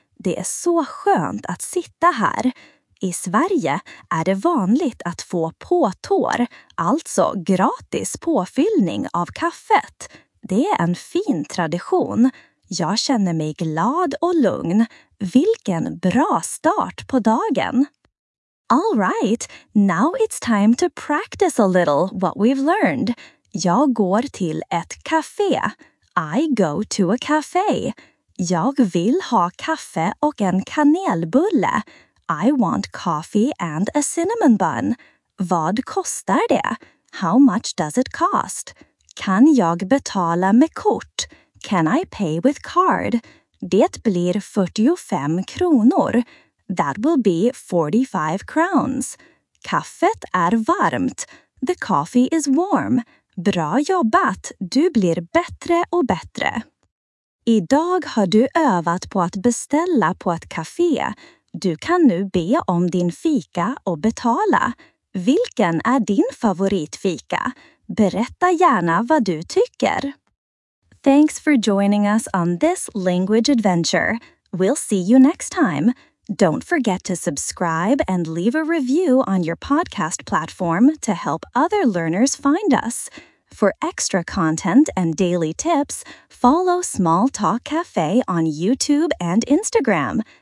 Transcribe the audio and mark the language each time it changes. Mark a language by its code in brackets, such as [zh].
[sv] Det är så skönt att sitta här. I Sverige är det vanligt att få påtår, alltså gratis påfyllning av kaffet. Det är en fin tradition. Jag känner mig glad och lugn. Vilken bra start på dagen! [en] All right, now it's time to practice a little what we've learned. [sv] Jag går till ett café. [en] I go to a café. [sv] Jag vill ha kaffe och en kanelbulle. [en] I want coffee and a cinnamon bun. [sv] Vad kostar det? [en] How much does it cost? [sv] Kan jag betala med kort? [en] Can I pay with card? [sv] Det blir 45 kronor. [en] That will be 45 crowns. [sv] Kaffet är varmt. [en] The coffee is warm. [sv] Bra jobbat. Du blir bättre och bättre. Idag har du övat på att beställa på ett café. Du kan nu be om din fika och betala. Vilken är din favoritfika? Berätta gärna vad du tycker. [en] Thanks for joining us on this language adventure. We'll see you next time. Don't forget to subscribe and leave a review on your podcast platform to help other learners find us. For extra content and daily tips, follow Small Talk Cafe on YouTube and Instagram.